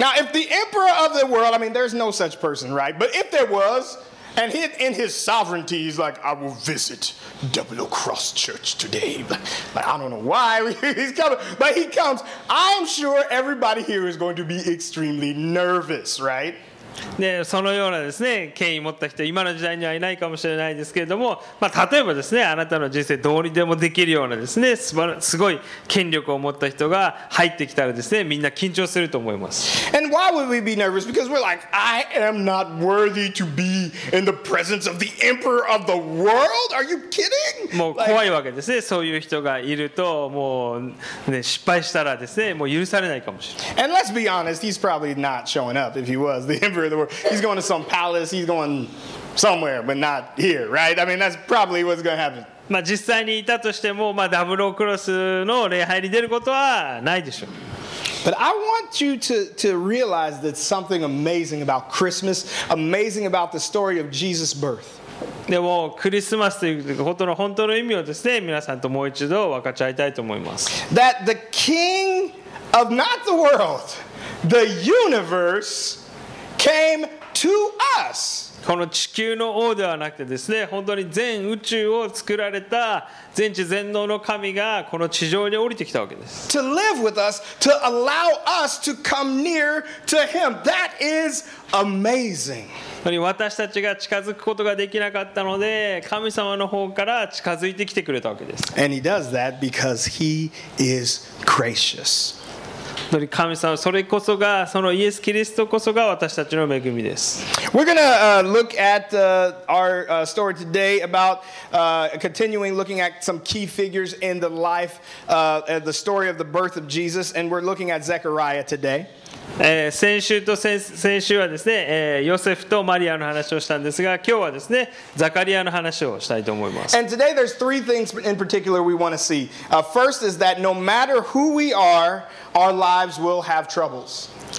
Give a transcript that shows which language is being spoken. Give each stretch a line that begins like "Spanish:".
English: Now, if the emperor of the world, I mean, there's no such person, right? But if there was, and he, in his sovereignty, he's like, I will visit Double Cross Church today. But I don't know why he's coming, but he comes. I'm sure everybody here is going to be extremely nervous, right?
Japanese: でそのようなですね権威を持った人今の時代にはいないかもしれないですけれども、まあ、例えばですねあなたの人生どうにでもできるようなですね すごい権力を持った人が入ってきたらですねみんな緊張すると思います。
English: And why would we be nervous? Because we're like, I am not worthy to be in the presence of the emperor of the world. Are you kidding?
Japanese: もう怖いわけですね。そういう人がいるともう、ね、失敗したらですねもう許されないかもしれない。
English: And let's be honest, he's probably not showing up if he was the emperor. He's going to some palace, he's going somewhere, but not here, right? I mean, that's probably what's going to happen.
Japanese: まあ実際にいたとしても、まあダブルクロスの礼拝に出ることはないでしょう。
English: But I want you to realize that something amazing about Christmas, amazing about the story of Jesus' birth.
Japanese: でもクリスマスということの本当の意味をですね、皆さんともう一度分かち合いたいと思います。
English: That the King of not the world, the universe. Came to us.
Japanese: この地球の王ではなくてですね、本当に全宇宙を作られた全知全能の神がこの地上に降りてきたわけです。
English: To live with us, to allow us to come near to Him. That is amazing.
Japanese: 私たちが近づくことができなかったので、神様の方から近づいてきてくれたわけです。
English: And He does that because He is gracious. We're going to look at our story today about continuing looking at some key figures in the life, the story of the birth of Jesus, and we're looking at Zechariah today.
Japanese: 先週と先々週はですね、ヨセフとマリアの話をしたんですが、今日はですね、ザカリアの話をしたいと思います。
English: And today there's three things in particular we want to see. First is that no matter who we are, our lives will have troubles.